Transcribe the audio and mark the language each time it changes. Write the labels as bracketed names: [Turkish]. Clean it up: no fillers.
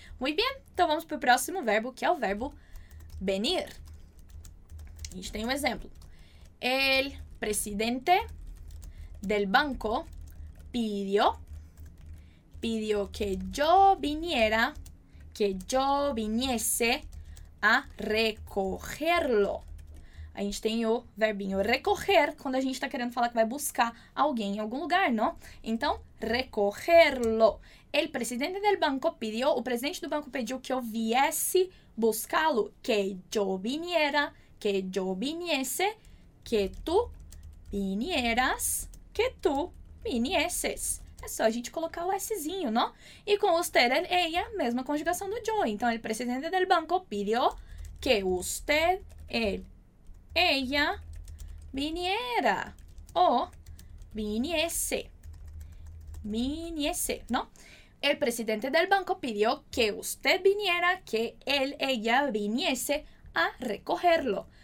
[Spanish] Muy bien, entonces vamos para el próximo verbo, que es el verbo venir. [Portuguese] A gente tem um exemplo. [Spanish] El presidente del banco pidió que yo viniese a recogerlo. [Portuguese] A gente tem o verbinho recoger quando a gente está querendo falar que vai buscar alguém em algum lugar, não? Então, recogerlo. [Spanish] El presidente del banco pidió, [Portuguese] o presidente do banco pediu que eu viesse buscá-lo, [Spanish] que yo viniera, que yo viniese, que tu vinieras, que tu vinieses. [Portuguese] É só a gente colocar o Szinho, não? E com usted, ella, mesma conjugação do yo. [Spanish] Então, el presidente del banco pidió que usted, él, ella, viniera o viniese. Viniese, [Portuguese] não? [Spanish] El presidente del banco pidió que usted viniera, que él, ella, viniese a recogerlo.